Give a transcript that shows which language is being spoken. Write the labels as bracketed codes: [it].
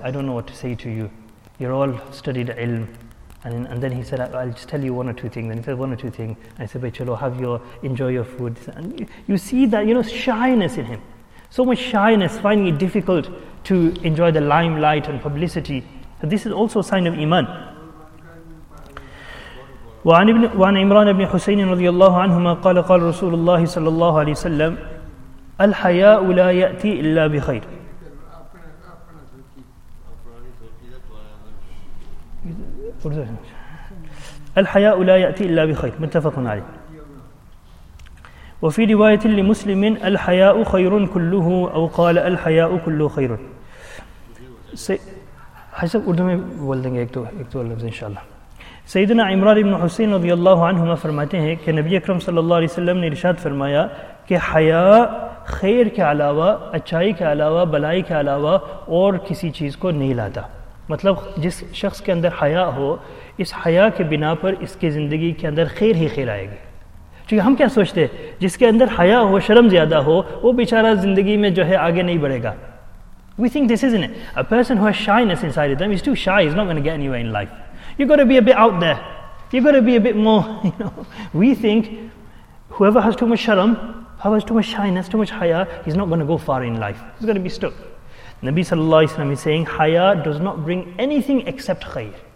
[en] I don't know what to say to you. You're all studied ilm. And then he said, I'll just tell you one or two things. And he said, one or two things. I said, but chalo, enjoy your food. And you see that, you know, shyness in him. So much shyness, finding it difficult to enjoy the limelight and publicity. So this is also a sign of iman. [ar] وعن عمران بن حسين رضي الله عنهما قال رسول الله صلى الله عليه وسلم الحياء لا يأتي إلا بخير. الحياء لا يأتي إلا بخير، متفق عليه. وفي رواية لمسلم الحياء خير كله، أو قال الحياء كله خير. [ur] حسب اردو میں بول دیں گے ایک تو لفظ انشاءاللہ. سیدنا عمران بن حسین رضی اللہ عنہما فرماتے ہیں کہ نبی اکرم صلی اللہ علیہ وسلم نے ارشاد فرمایا کہ حیا خیر کے علاوہ، اچھائی کے علاوہ، بلائی کے علاوہ اور کسی چیز کو نہیں لاتا. مطلب جس شخص کے اندر حیا ہو، اس حیا کے بنا پر اس کے زندگی کے اندر خیر ہی خیر آئے گی. ٹھیک، ہم کیا سوچتے ہیں جس کے اندر حیا ہو، شرم زیادہ ہو، وہ بیچارہ زندگی میں جو ہے آگے نہیں بڑھے گا. [en] We think this, isn't it? A person who has shyness inside of them is too shy. He's not going to get anywhere in life. You've got to be a bit out there. You've got to be a bit more, you know. We think whoever has too much sharam, whoever has too much shyness, too much haya, he's not going to go far in life. He's going to be stuck. Nabi sallallahu alayhi wa sallam is saying, haya does not bring anything except khair.